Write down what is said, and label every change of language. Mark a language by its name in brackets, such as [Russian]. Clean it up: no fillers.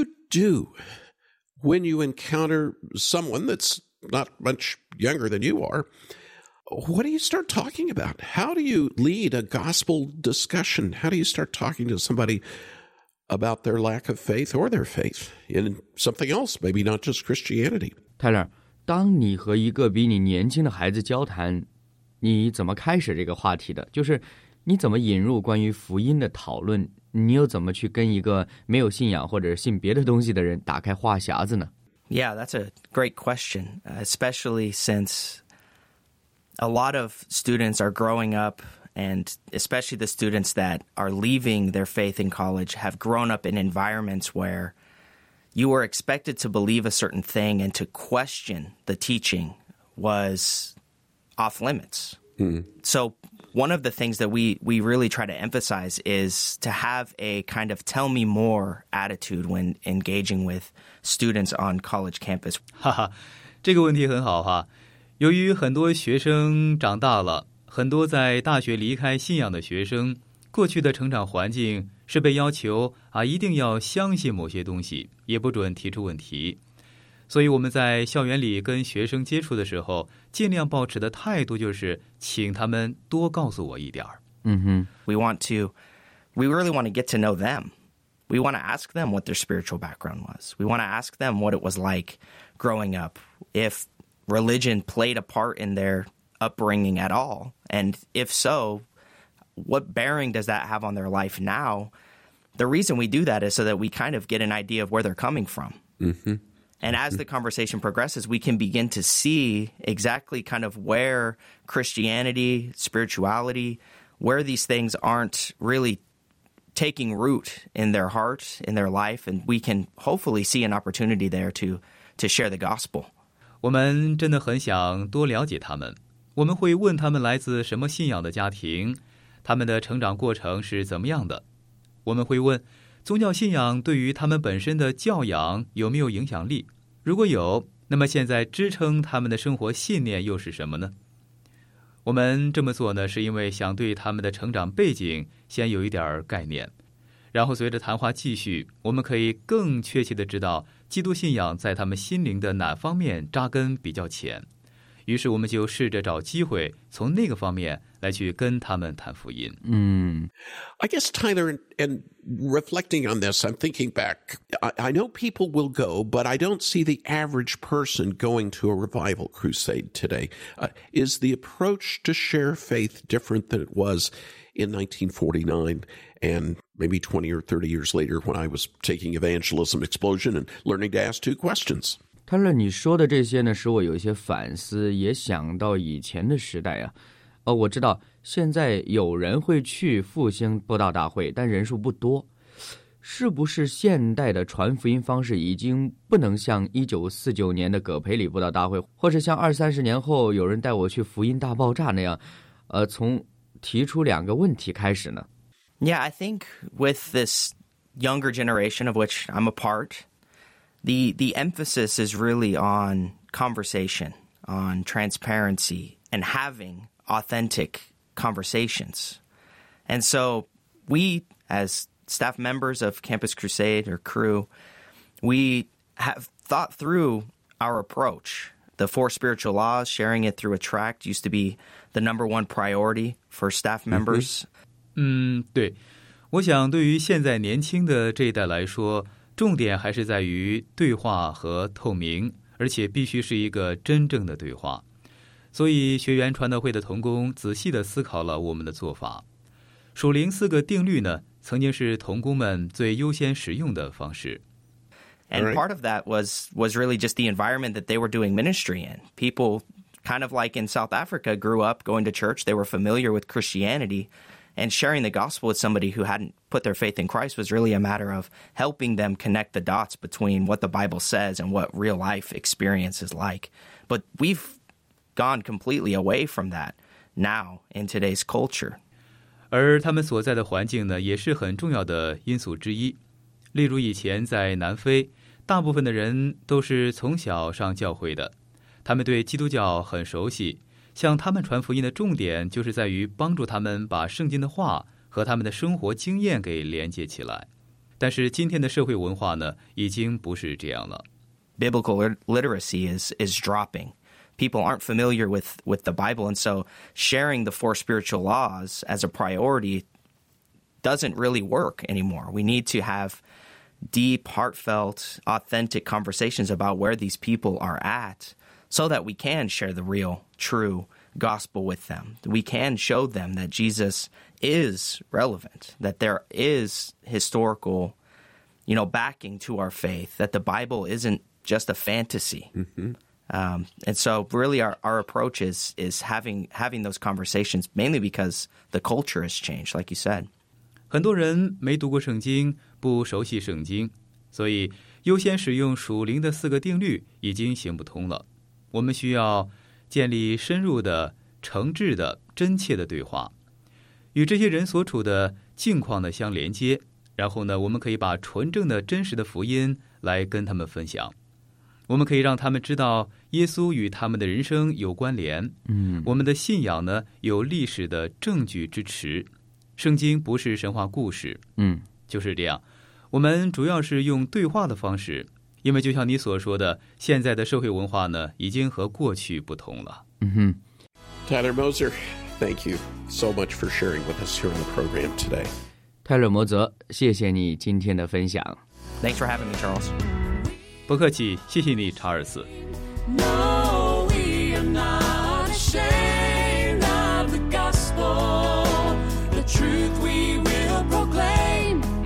[English] do when you encounter someone that's not much younger than you are. What do you start talking about? How do you lead a gospel discussion? How do you start talking to somebody about their lack of faith or their faith in something else, maybe not just Christianity? [Chinese] Tyler, 当你和一个比你年轻的孩子交谈，你怎么开始这个话题的？就是你怎么引入关于福音的讨论？你又怎么去跟一个没有信仰或者信别的东西的人打开话匣子呢？ [English] Yeah, that's a great question, especially since a lot of students are growing up, and especially the students that are leaving their faith in college have grown up in environments where you were expected to believe a certain thing, and to question the teaching was off limits. So one of the things that we really try to emphasize is to have a kind of tell me more attitude when engaging with students on college campus. [Chinese] 哈哈，这个问题很好哈。由于很多学生长大了，很多在大学离开信仰的学生，过去的成长环境是被要求啊一定要相信某些东西，也不准提出问题。所以我们在校园里跟学生接触的时候，尽量保持的态度就是请他们多告诉我一点儿。 Mm-hmm. [English] We really want to get to know them. We want to ask them what their spiritual background was. We want to ask them what it was like growing up, if religion played a part in their upbringing at all. And if so, what bearing does that have on their life now? The reason we do that is so that we kind of get an idea of where they're coming from. Mm-hmm. And as the conversation progresses, we can begin to see exactly kind of where Christianity, spirituality, where these things aren't really taking root in their heart, in their life. And we can hopefully see an opportunity there to share the gospel. [Chinese] 我们真的很想多了解他们。我们会问他们来自什么信仰的家庭，他们的成长过程是怎么样的。我们会问宗教信仰对于他们本身的教养有没有影响力？如果有，那么现在支撑他们的生活信念又是什么呢？我们这么做呢，是因为想对他们的成长背景先有一点概念，然后随着谈话继续，我们可以更确切地知道基督信仰在他们心灵的哪方面扎根比较浅。于是我们就试着找机会从那个方面来去跟他们谈福音。 [English] I guess, Tyler, and reflecting on this, I'm thinking back. I know people will go, but I don't see the average person going to a revival crusade today. Is the approach to share faith different than it was in 1949 and maybe 20 or 30 years later when I was taking evangelism explosion and learning to ask two questions? [Chinese] Tyler, 你说的这些呢，使我有一些反思，也想到以前的时代啊。我知道现在有人会去复兴布道大会，但人数不多。是不是现代的传福音方式已经不能像1949年的葛培里布道大会，或是像二三十年后有人带我去福音大爆炸那样，从提出两个问题开始呢？ [English] Yeah, I think with this younger generation of which I'm a part, the emphasis is really on conversation, on transparency, and having authentic conversations. And so we, as staff members of Campus Crusade or crew, we have thought through our approach. The four spiritual laws, sharing it through a tract, used to be the number one priority for staff members. [Chinese] 对，我想对于现在年轻的这一代来说，重点还是在于对话和透明，而且必须是一个真正的对话。所以学员传道会的同工仔细地思考了我们的做法。属灵四个定律呢，曾经是同工们最优先使用的方式。 [English] And part of that was really just the environment that they were doing ministry in. People, kind of like in South Africa, grew up going to church. They were familiar with Christianity. And sharing the gospel with somebody who hadn't put their faith in Christ was really a matter of helping them connect the dots between what the Bible says and what real life experience is like. But we've gone completely away from that now in today's culture. [Chinese] 而他们所在的环境呢，也是很重要的因素之一。例如以前在南非，大部分的人都是从小上教会的，他们对基督教很熟悉，向他们传福音的重点就是在于帮助他们把圣经的话和他们的生活经验给连接起来。但是今天的社会文化呢，已经不是这样了。 [English] Biblical literacy is dropping. People aren't familiar with the Bible, and so sharing the four spiritual laws as a priority doesn't really work anymore. We need to have deep, heartfelt, authentic conversations about where these people are at so that we can share the real, true gospel with them. We can show them that Jesus is relevant, that there is historical, you know, backing to our faith, that the Bible isn't just a fantasy. Mm-hmm. And so really our approach is having those conversations, mainly because the culture has changed, like you said. [Chinese] 很多人没读过圣经，不熟悉圣经，所以优先使用属灵的四个定律已经行不通了。我们需要建立深入的、诚挚的、真切的对话，与这些人所处的境况呢相连接，然后呢，我们可以把纯正的、真实的福音来跟他们分享。我们可以让他们知道耶稣与他们的人生有关联，我们的信仰呢有历史的证据支持。圣经不是神话故事，就是这样。我们主要是用对话的方式，因为就像你所说的，现在的社会文化呢，已经和过去不同了。 [English] Tyler Moser, thank you so much for sharing with us here on the program today. [Chinese] Tyler Moser, 谢谢你今天的分享。 [English] Thanks for having me, Charles. [Chinese] 不客气，谢谢你，查尔斯。 [English] No, we are not ashamed of the gospel. Truth we will proclaim.